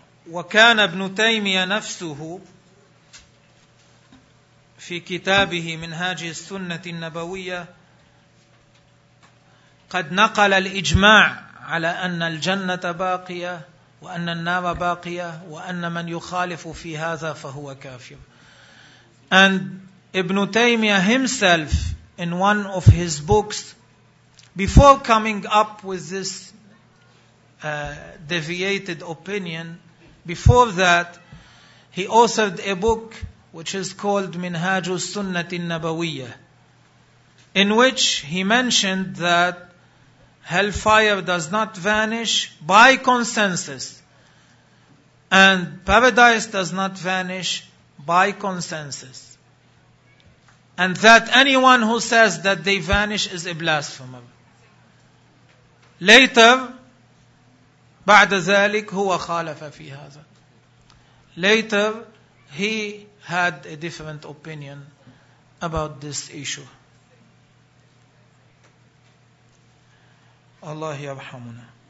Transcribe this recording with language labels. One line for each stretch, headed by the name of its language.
Arabic: وكان ابن تيمية نفسه في كتابه منهاج السنة النبوية قد نقل الإجماع على أن الجنة باقية وأن النار باقية وأن من يخالف في هذا فهو كافر.
English: And Ibn Taymiyyah himself in one of his books before coming up with this deviated opinion, before that, he authored a book which is called Minhaj al-Sunnah al-Nabawiyyah, in which he mentioned that hellfire does not vanish by consensus, and paradise does not vanish by consensus, and that anyone who says that they vanish is a blasphemer. Later,
Arabic: بعد ذلك هو خالف في هذا.
English: Later, he had a different opinion about this issue.
Arabic: Allah yarhamuna.